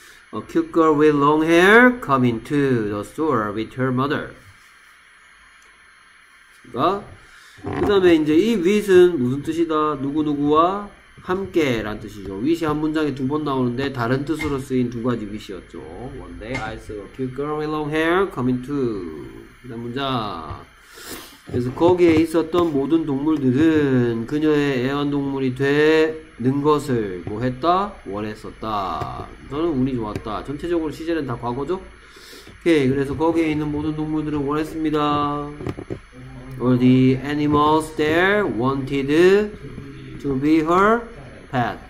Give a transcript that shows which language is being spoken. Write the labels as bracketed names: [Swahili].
[English] A cute girl with long hair come into the store with her mother. [Korean] 그러니까 그 다음에 이제 이 with은 무슨 뜻이다? 누구누구와 함께 라는 뜻이죠. with이 한 문장에 두 번 나오는데 다른 뜻으로 쓰인 두 가지 with이었죠. [English] One day I saw a cute girl with long hair coming to. [Korean] 그 다음 문장. 그래서 거기에 있었던 모든 동물들은 그녀의 애완동물이 되는 것을 뭐 했다? 원했었다. 저는 운이 좋았다. 전체적으로 시제는 다 과거죠? 오케이. 그래서 거기에 있는 모든 동물들은 원했습니다. [English] All the animals there wanted to be her pet.